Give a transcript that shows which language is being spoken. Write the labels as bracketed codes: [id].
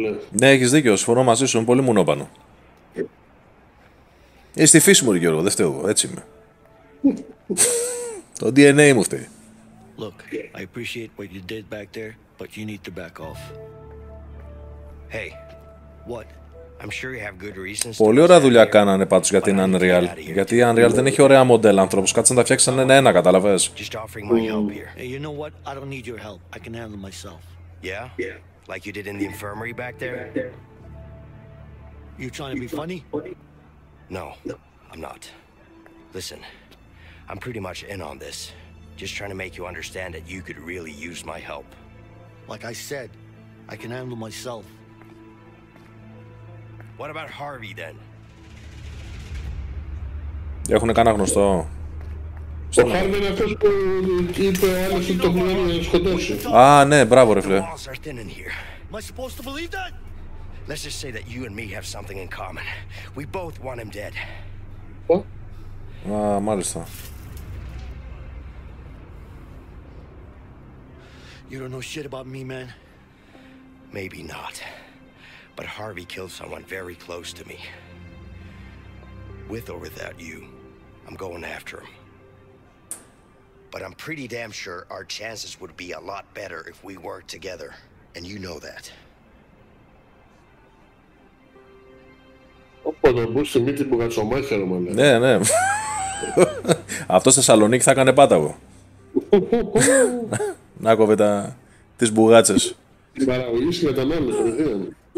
[el] Ναι, έχεις δίκιο, συμφωνώ μαζί σου, είμαι πολύ μουνόπανο. Είσαι στη φύση μου, Γιώργο, δεν φταίω, έτσι είμαι. Το DNA μου φταίει. [en] Look, I appreciate what you did back there, but you need to back off. Hey, what? I'm sure you have good reasons. [el] Πολύ ωραία δουλειά κάνανε πάντως για την Unreal. Γιατί η Unreal δεν έχει ωραία μοντέλα ανθρώπους. Κάτσε να τα φτιάξανε ένα-ένα, καταλαβες. [en] Just offering my help here. Hey, you know what? I don't need your help. I can handle myself. Yeah? Yeah. Like you did in the infirmary back there? You trying to be funny? No, I'm not. Listen, I'm pretty much in on this. Just trying to make you understand that you could really use my help. Like I said, I can handle myself. What about Harvey then? [el] Έχουνε κανένα γνωστό. Ο Harvey είναι αυτός που είπε άλλος ότι το χρόνο να σκοτώσει. Α, ναι, μπράβο ρε φίλε. [en] The walls are thin in here. Am I supposed to believe that? Let's just say that you and me have something in common. We both want him dead. What? [el] Α, μάλιστα. [en] You don't know shit about me, man. Maybe not. But Harvey killed someone very close to me. With or without you, I'm going after him. But I'm pretty damn sure our chances would be a lot better if we worked together. And you know that. [el] Όπα, να μπούς στη μύτη που κατσομάχαιρο, μάλλον. Ναι, ναι. Αυτό στη Θεσσαλονίκη θα έκανε πάταγο. Να κόβε τα... τις μπουγάτσες. Την παραγωγή σου μετανόμενος, παιδεία μου.